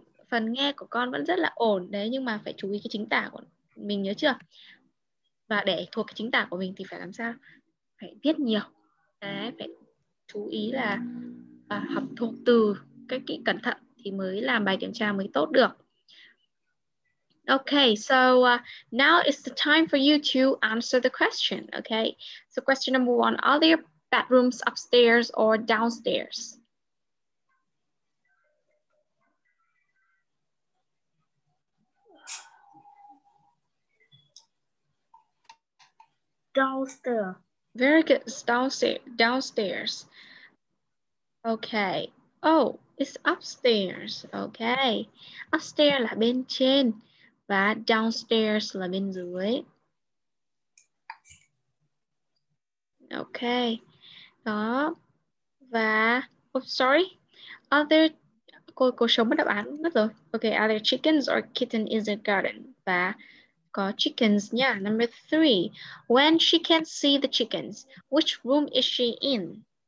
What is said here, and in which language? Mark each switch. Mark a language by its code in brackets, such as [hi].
[vi] Phần nghe của con vẫn rất là ổn đấy, nhưng mà phải chú ý cái chính tả của mình, nhớ chưa? Và để thuộc cái chính tả của mình thì phải làm sao? Phải viết nhiều. Đấy, phải chú ý là học thuộc từ cách kỹ cẩn thận thì mới làm bài kiểm tra mới tốt được. [en] Okay, so now is the time for you to answer the question, okay? So question number one, are there bedrooms upstairs or downstairs? Downstairs. Very good, downstairs. Okay. Oh, it's upstairs, okay. [vi] Upstairs là bên trên và downstairs là bên dưới. Okay, đó. Và, oops, sorry. [en] Are there, [vi] cô sớm mất đáp án mất rồi. [en] Okay, are there chickens or kitten in the garden? [vi] Và có chickens nha. [en] Number 3, when she can't see the chickens, which room is she in?